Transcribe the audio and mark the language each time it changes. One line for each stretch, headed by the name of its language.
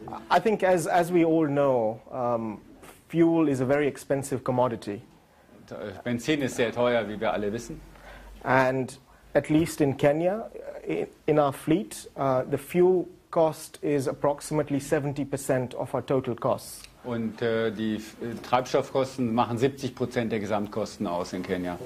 English: I think, as we all know, fuel is a very expensive commodity.
German: Benzin ist sehr teuer, wie wir alle wissen.
English: And at least in Kenya, in our fleet, the fuel cost is approximately 70% of our total costs.
German: Und die Treibstoffkosten machen 70% der Gesamtkosten aus in Kenia.